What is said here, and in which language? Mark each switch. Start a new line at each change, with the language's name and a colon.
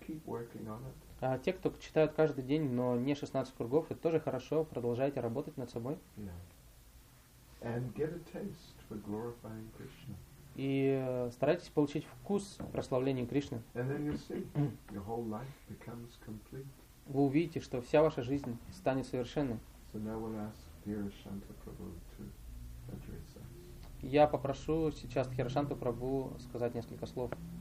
English: Keep working on it.
Russian: А те, кто читают каждый день, но не 16 кругов, это тоже хорошо. Продолжайте работать над собой.
English: Yeah. And get a taste. For glorifying Krishna.
Russian: И старайтесь получить вкус прославления Кришны.
English: And then you'll see, your whole life becomes complete.
Russian: Вы увидите, что вся ваша жизнь станет совершенной.
English: So now we'll ask Hirashanta Prabhu to address us.
Russian: Я попрошу сейчас Хирошанту Прабху сказать несколько слов.